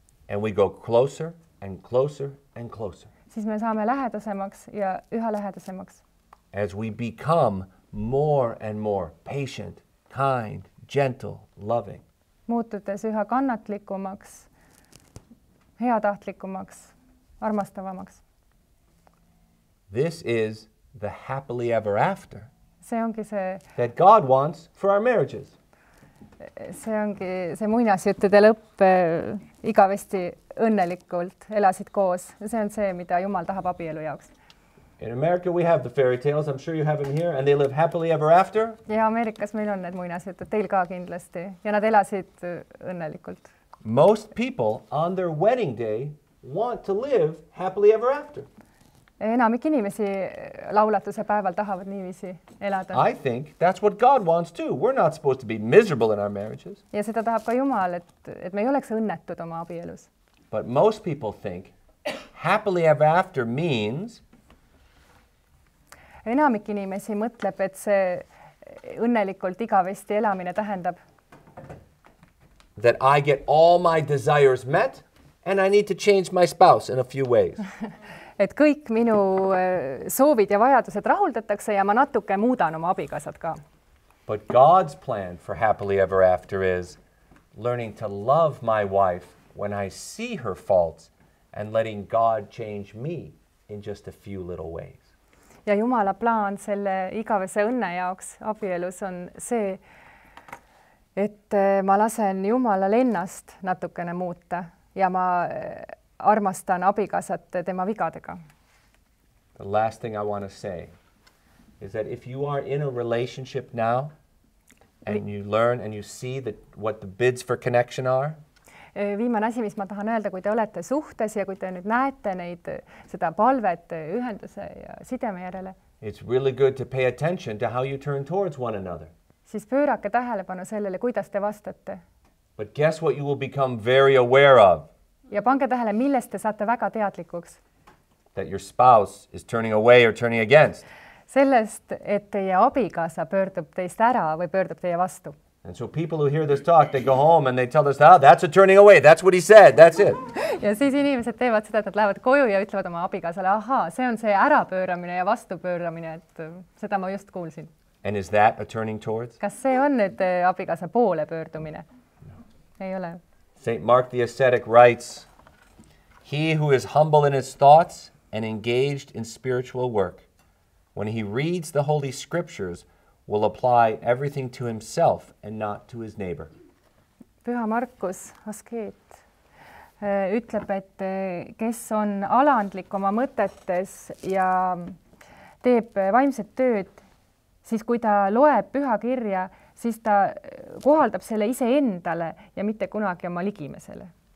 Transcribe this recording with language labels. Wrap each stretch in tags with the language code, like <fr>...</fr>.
<en>And we go closer and closer and closer.</en> <et>Siis me saame lähedasemaks ja üha lähedasemaks.</et> <en>As we become more and more patient, kind, gentle, loving.</en> <et>Muutudes üha kannatlikumaks, heatahtlikumaks, armastavamaks.</et> <en>This is the happily ever after.</en> <et>See ongi see,</et> <en>that God wants for our marriages.</en> <et>See ongi see muinasjuttude lõpp igavesti õnnelikult elasid koos. See on see, mida Jumal tahab abielu jaoks.</et> <en>In America we have the fairy tales. I'm sure you have them here and they live happily ever after.</en> <et>Ja Ameerikas meil on need muinasjuttud teil ka kindlasti ja nad elasid õnnelikult.</et> <en>Most people on their wedding day want to live happily ever after.</en> <et>Enamik inimesi laulatuse päeval tahavad niiviisi elada.</et> <en>I think that's what God wants too. We're not supposed to be miserable in our marriages.</en> <et>Ja seda tahab ka Jumal, et me ei oleks õnnetud oma abielus.</et> <en>But most people think happily ever after means...</en> <et>Enamik inimesi mõtleb, et see õnnelikult igavesti elamine tähendab...</et> <en>That I get all my desires met and I need to change my spouse in a few ways.</en> <et>Et kõik minu soovid ja vajadused rahuldatakse ja ma natuke muudan oma abikasad ka.</et> <en>But God's plan for happily ever after is learning to love my wife when I see her faults and letting God change me in just a few little ways.</en> <et>Ja Jumala plaan selle igavese õnne jaoks abielus on see, et ma lasen Jumalal ennast natukene muuta ja ma... armastan abikasat tema vigadega.</et> <en>The last thing I want to say is that if you are in a relationship now and you learn and you see that what the bids for connection are,</en> <et>viimane asi, mis ma tahan öelda, kui te olete suhtes ja kui te nüüd näete neid seda palvet ühenduse ja sideme järele,</et> <en>it's really good to pay attention to how you turn towards one another.</en> <et>Siis pöörake tähelepanu sellele, kuidas te vastate.</et> <en>But guess what you will become very aware of?</en> <et>Ja pange tähele, millest te saate väga teadlikuks.</et> <en>That your spouse is turning away or turning against.</en> <et>Sellest, et teie abikaasa pöördub teist ära või pöördub teie vastu.</et> <en>And so people who hear this talk, they go home and they tell us, oh, that's a turning away, that's what he said, that's it.</en> <et>Ja siis inimesed teevad seda, et nad lähevad koju ja ütlevad oma abikaasale, aha, see on see ära pööramine ja vastu pööramine, et seda ma just kuulsin.</et> <en>And is that a turning towards?</en> <et>Kas see on nüüd abikaasa poole pöördumine?</et> <en>No.</en> <et>Ei ole.</et> <en>St. Mark the Ascetic writes, he who is humble in his thoughts and engaged in spiritual work, when he reads the Holy Scriptures, will apply everything to himself and not to his neighbor.</en> <et>Püha Markus, askeet, ütleb, et kes on alandlik oma mõtetes ja teeb vaimset tööd, siis kui ta loeb püha kirja, siis ta kohaldab selle ise endale ja mitte kunagi oma ligimesele.</et>